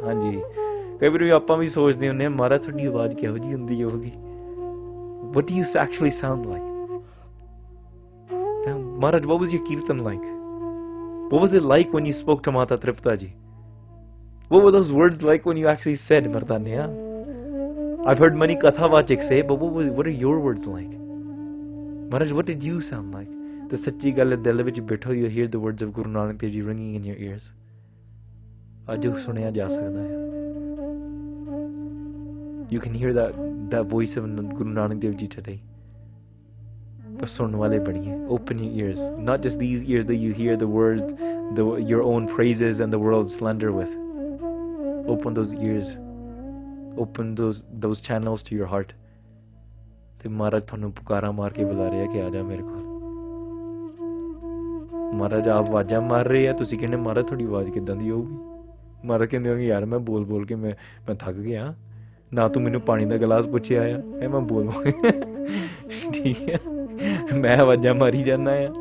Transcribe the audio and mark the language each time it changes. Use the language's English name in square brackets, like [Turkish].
[Punjabi] ਹਾਂਜੀ, ਕਈ ਵਾਰੀ ਆਪਾਂ ਵੀ ਸੋਚਦੇ ਹੁੰਦੇ ਹਾਂ ਮਹਾਰਾਜ ਤੁਹਾਡੀ ਆਵਾਜ਼ ਕਿਹੋ ਜਿਹੀ ਹੁੰਦੀ ਹੋਵੇਗੀ, [English] What you actually sound like. Maharaj, what was your kirtan like, what was it like when you spoke to Mata Tripta ji, what was those words like when you actually said ਮਰਦਾਨਿਆ. I've heard many kathavachik say, but what are your words like? Maharaj, what did you sound like? The [Punjabi] ਸੱਚੀ ਗੱਲ ਦਿਲ ਵਿੱਚ ਬਿਠੋ, [English] you hear the words of Guru Nanak Dev Ji ringing in your ears. [Punjabi] ਅਜੋ ਸੁਣਿਆ ਜਾ ਸਕਦਾ ਹੈ. [English] You can hear that voice of Guru Nanak Dev Ji today. [Punjabi] ਪਰ ਸੁਣਨੇ ਵਾਲੇ ਬੜੀ ਹੈਂ. [English] Open your ears. Not just these ears that you hear the words, your own praises and the world's slander with. Open those ears. Open those channels to your heart. [Punjabi] ਤੇ ਮਹਾਰਾਜ ਥੋਨੂੰ ਪੁਕਾਰਾ ਮਾਰ ਕੇ ਬੁਲਾ ਰਿਹਾ ਕੇ ਆ ਜਾ ਮੇਰੇ ਕੋਲ. ਮਹਾਰਾਜ ਆਪ ਆਵਾਜ਼ ਮਾਰ ਰਹੇ ਹੋ, ਤੁਸੀ ਕਹਿਣੇ ਮਹਾਰਾਜ ਥੋਡੀ ਆਵਾਜ਼ ਕਿੱਦਾਂ ਦੀ ਹੋਗੀ? ਮਹਾਰਾਜ ਕਹਿੰਦੇ ਹੋਗੀ ਯਾਰ ਮੈਂ ਬੋਲ ਬੋਲ ਕੇ ਮੈਂ ਥੱਕ ਗਿਆ, ਨਾ ਤੂੰ ਮੈਨੂੰ ਪਾਣੀ ਦਾ ਗਲਾਸ ਪੁੱਛੇ ਆਇਆ, ਇਹ ਮੈਂ ਬੋਲ ਬੋਲ ਠੀਕ ਹੈ ਮੈਂ ਆਵਾਜ਼ ਮਾਰੀ ਜਾਣਾ ਹੈ.